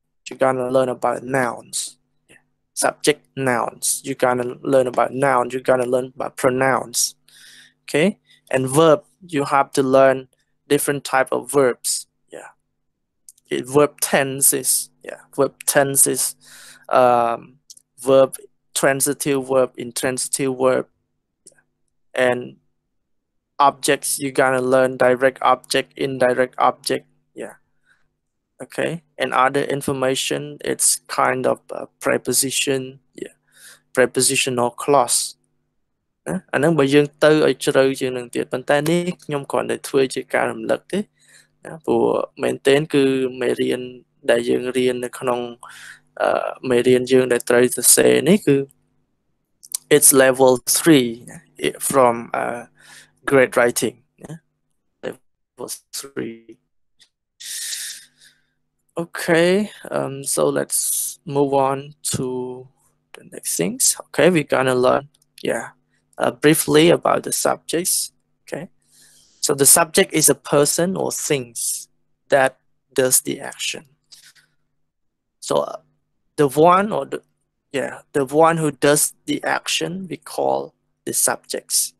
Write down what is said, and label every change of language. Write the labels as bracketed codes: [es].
[en] you gonna learn about nouns subject nouns you're going to learn about nouns you're going to learn about pronouns okay and verb you have to learn different type of verbs yeah it verb tenses yeah verb tenses verb transitive verb intransitive verb yeah. And objects you're going to learn direct object indirect object okay and other information it's kind of a preposition yeah prepositional clause [km] ណា អានឹង បើ យើង ទៅ ឲ្យ ជ្រៅ ជាង នឹង ទៀត ប៉ុន្តែ នេះ ខ្ញុំ គ្រាន់ តែ ធ្វើ ជា ការ រំលឹក ទេ ណា ព្រោះ maintain គឺ មេរៀន ដែល យើង រៀន នៅ ក្នុង មេរៀន យើង ដែល ត្រូវ សរសេរ នេះ គឺ [en] it's level 3 from great writing level 3 Okay, so let's move on to the next things. Okay, we're gonna learn, briefly about the subjects. Okay, so the subject is a person or things that does the action. So the one who does the action, we call the subjects.